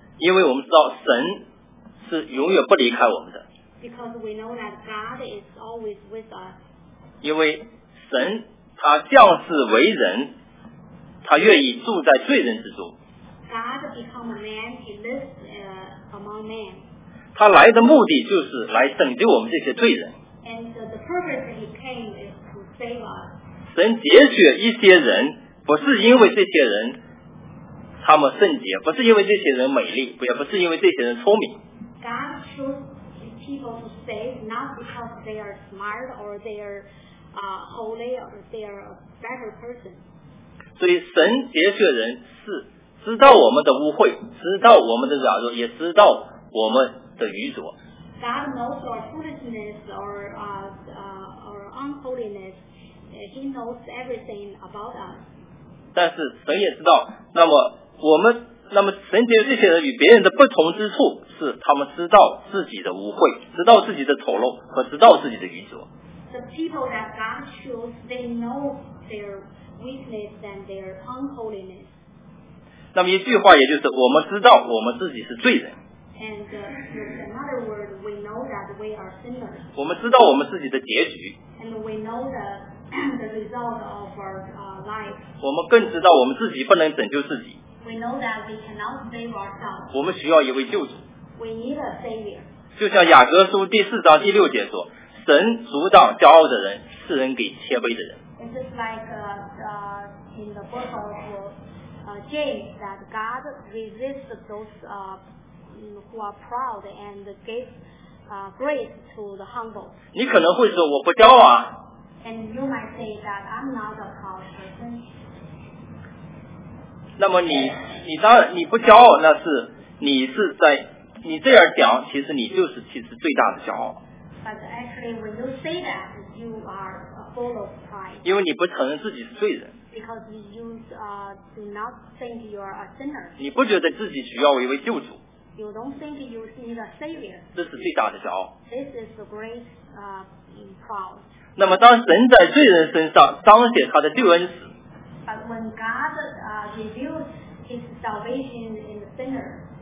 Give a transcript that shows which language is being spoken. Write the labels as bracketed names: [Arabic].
[Chinese] 因为我们知道神是永远不离开我们的。 [English] Because we know that God is always with us. [Chinese] 因为神他降世为人，他愿意住在罪人之中。 [English] God become a man, he lives among men. [Chinese] 他来的目的就是来拯救我们这些罪人。 [English] And the purpose he came is to save us. [Chinese] 神拣选一些人，不是因为这些人他们圣洁，不是因为这些人美丽，也不是因为这些人聪明。 [English] God chose people to save not because they are smart or they are holy or they are a better person. [Chinese] 所以神拣选人是知道我们的污秽，知道我们的软弱，也知道我们的愚拙。 [English] God knows our foolishness or unholiness. He knows everything about us. [Chinese] 但是神也知道，那么我们，那么神拣选这些人与别人的不同之处是，他们知道自己的污秽，知道自己的丑陋和知道自己的愚拙。 [English] The people that God chose, they know their weakness and their unholiness. [Chinese] 那么一句话，也就是我们知道我们自己是罪人。 [English] And another word, we know that we are sinners. [Chinese] 我们知道我们自己的结局。 [English] And we know the result of our life. [Chinese] 我们更知道我们自己不能拯救自己。 [English] We know that we cannot save ourselves. [Chinese] 我们需要一位救主。 [English] We need a savior. [Chinese] 就像雅各书第四章第六节说，神阻挡骄傲的人，赐恩给谦卑的人。 [English] It's just like in the book of James that God resists those who are proud and gives grace to the humble. [Chinese] 你可能会说我不骄傲啊。 [English] And you might say that I'm not a proud person. [Chinese] 那么你当然你不骄傲，那是你是在你这样讲，其实你就是其实最大的骄傲。 [English] But actually, when you say that, you are full of pride. [Chinese] 因为你不承认自己是罪人。 [English] Because you do not think you are a sinner. [Chinese] 你不觉得自己需要一位救主。 [English] You don't think you need a savior. [Chinese] 这是最大的骄傲。 [English] This is the great proud. [Chinese] 那么当神在罪人身上彰显他的救恩时， [English] But when God reveals His salvation in the sinner,